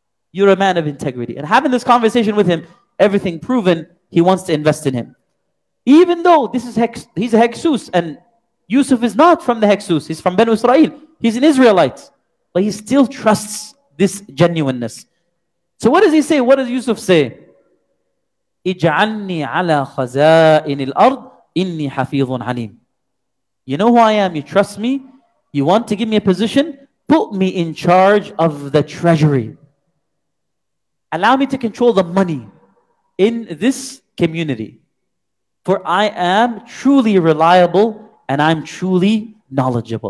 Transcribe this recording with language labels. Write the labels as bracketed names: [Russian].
[English] You're a man of integrity. And having this conversation with him, everything proven, he wants to invest in him. Even though this is he's a Hexus, and Yusuf is not from the Hexus, he's from Benu Israel. He's an Israelite. But he still trusts this genuineness. So what does he say? What does Yusuf say? [Arabic] اجعلني على خزائن الأرض إني حفيظ عليم. [English] You know who I am, you trust me, you want to give me a position, put me in charge of the treasury. Allow me to control the money in this community. For I am truly reliable and I'm truly knowledgeable.